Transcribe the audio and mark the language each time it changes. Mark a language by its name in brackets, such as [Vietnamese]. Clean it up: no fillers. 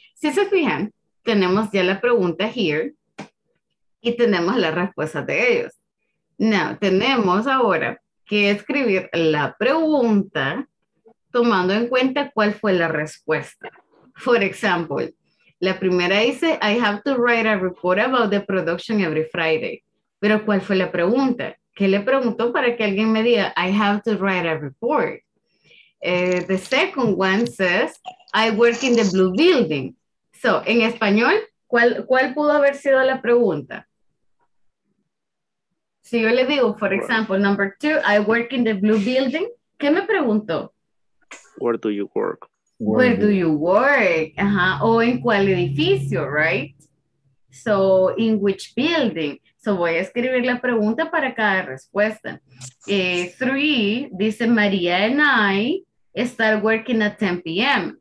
[Spanish] Si se fijan, tenemos ya la pregunta here y tenemos la respuesta de ellos. Now, tenemos ahora que escribir la pregunta tomando en cuenta cuál fue la respuesta. [English] For example, [Spanish] la primera dice, [English] I have to write a report about the production every Friday. [Spanish] Pero ¿cuál fue la pregunta? ¿Qué le preguntó para que alguien me diga, [English] I have to write a report? The second one says, I work in the blue building. [Spanish] So, en español, ¿cuál pudo haber sido la pregunta? Si yo le digo, for example, number two, [English] I work in the blue building, [Spanish] ¿qué me preguntó? [English] Where do you work? Where do you work? Uh-huh. [Spanish] O en cuál edificio, [English] right? So, in which building? [Spanish] So, voy a escribir la pregunta para cada respuesta. [English] Three, dice María and I, start working at 10 p.m.